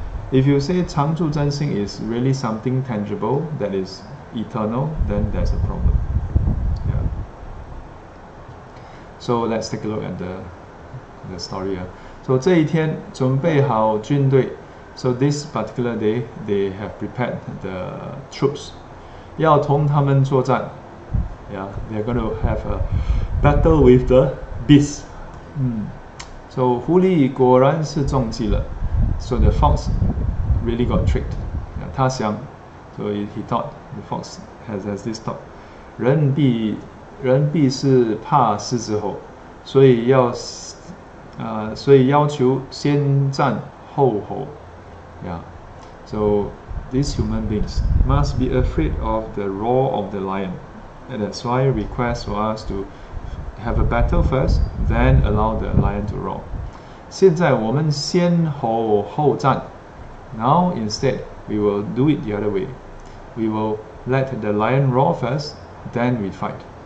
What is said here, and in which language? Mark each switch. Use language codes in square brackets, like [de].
[en] If you say 常住真心 is really something tangible that is eternal, then there's a problem. Yeah. So let's take a look at the the story. [zh] So 这一天准备好军队. [en] So this particular day, they have prepared the troops. [zh] 要同他们作战. [en] Yeah, they're going to have a battle with the beast. So [zh] 狐狸果然是中计了. [en] So the fox really got tricked. Yeah, [zh] 他想, [en] so he thought the fox has this thought. [zh] 人必是怕狮子吼, 所以要求先战后吼. Yeah. [en] So these human beings must be afraid of the roar of the lion. And that's why request for us to have a battle first, then allow the lion to roar. [zh] 现在我们先吼后战. [en] Now instead, we will do it the other way. We will let the lion roar first, then we fight.